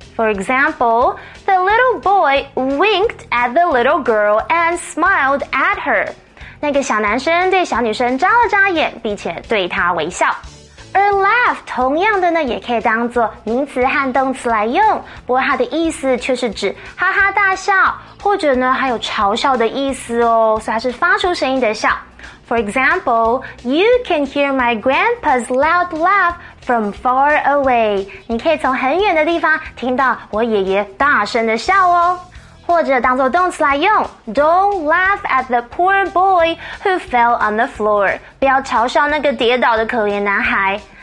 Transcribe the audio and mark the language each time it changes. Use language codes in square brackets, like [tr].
[en] For example, the little boy winked at the little girl and smiled at her. [zh] 那个小男生对小女生眨了眨眼，并且对她微笑。而 laugh 同样的呢，也可以当作名词和动词来用，不过它的意思却是指哈哈大笑，或者呢还有嘲笑的意思哦，所以它是发出声音的笑。 [en] For example, you can hear my grandpa's loud laugh from far away. [zh] 你可以从很远的地方听到我爷爷大声的笑哦。或者当作动词来用 [en] ,don't laugh at the poor boy who fell on the floor. [zh] 不要嘲笑那个跌倒的可怜男孩。